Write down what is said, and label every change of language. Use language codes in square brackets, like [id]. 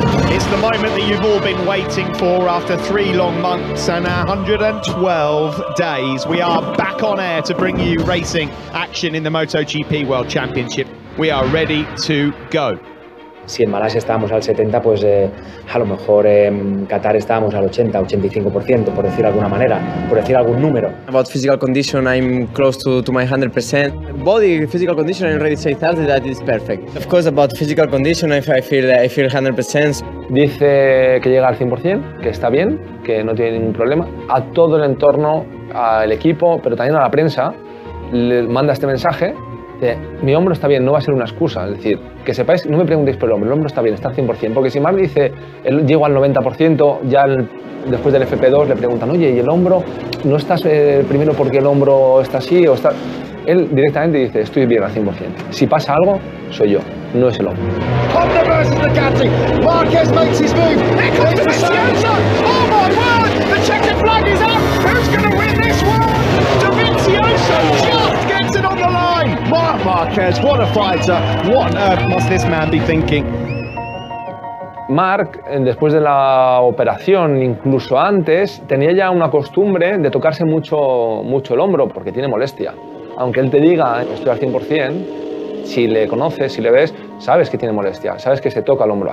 [en] It's the moment that you've all been waiting for after three long months and 112 days. We are back on air to bring you racing action in the MotoGP World Championship. We are ready to go. [es] Si en Malasia estábamos al 70, pues a lo mejor en Qatar estábamos al 80, 85%, por decir alguna manera, por decir algún número. [en] About physical condition, I'm close to my 100%. Body physical condition, I'm ready to say that is perfect. Of course, about physical condition, I feel 100%. [es] Dice que llega al 100%, que está bien, que no tiene ningún problema. A todo el entorno, al equipo, pero también a la prensa, le manda este mensaje. Mi hombro está bien, no va a ser una excusa. Es decir, que sepáis, no me preguntéis por el hombro está bien, está al 100%. Porque si Marc dice, llego al 90%, ya después del FP2 le preguntan, oye, ¿y el hombro? ¿No estás primero porque el hombro está así? O está... Él directamente dice, estoy bien al 100%. Si pasa algo, soy yo, no es el hombro. [en] Honda vs. Ducati. Marquez makes his move. Here comes Vicenza. Oh my word, the checkered flag is up. Who's going to win this one? Dovizioso just gets it on the line. Marc Marquez, what a fighter. What on earth must this man be thinking? [es] Marc, después de la operación, incluso antes, tenía ya una costumbre de tocarse mucho, mucho el hombro porque tiene molestia. Aunque él te diga, estoy al 100%, si le conoces, si le ves, sabes que tiene molestia, sabes que se toca el hombro.